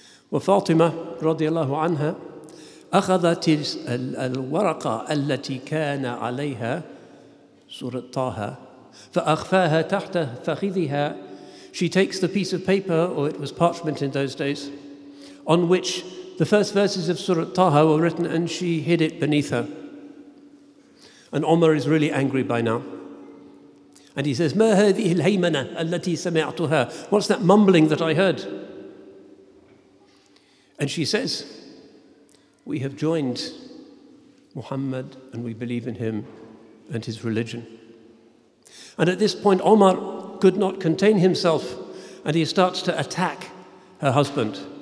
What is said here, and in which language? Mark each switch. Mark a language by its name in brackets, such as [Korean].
[Arabic] Well, Fatima, radiallahu anha, أخذت الورقة التي كان عليها سورة طه. فَأَخْفَاهَا تَحْتَ فَخِذِهَا. [English] She takes the piece of paper, or it was parchment in those days, on which the first verses of Surah Taha were written, and she hid it beneath her. And Omar is really angry by now. And he says, [Arabic] مَا هَذِهِ الْهَيْمَنَةِ الَّتِي سَمِعْتُهَا. [English] What's that mumbling that I heard? And she says, "We have joined Muhammad, and we believe in him and his religion." And at this point, Omar could not contain himself, and he starts to attack her husband.